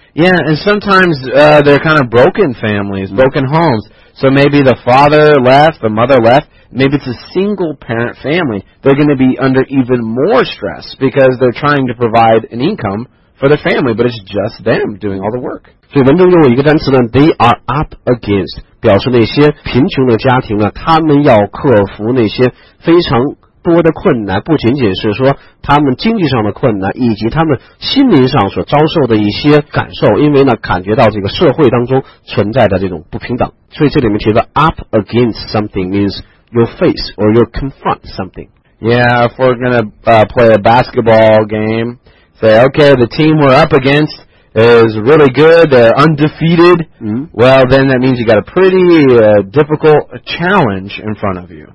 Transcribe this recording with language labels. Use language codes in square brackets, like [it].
[en] Yeah, and sometimes they're kind of broken families, broken homes. So maybe the father left, the mother left. Maybe it's a single parent family. They're going to be under even more stress because they're trying to provide an income for their family, but it's just them doing all the work. [zh] 所以文中用了一个单词呢 , [en] they are up against, [zh] 表示那些贫穷的家庭呢，他们要克服那些非常多的困难，不仅仅是说他们经济上的困难，以及他们心灵上所遭受的一些感受，因为呢感觉到这个社会当中存在的这种不平等。所以这里面提到 [en] up against something means you face or you confront something. Yeah, if we're gonna play a basketball game, say, okay, the team we're up against is really good, they're undefeated, well, then that means you got a pretty difficult challenge in front of you.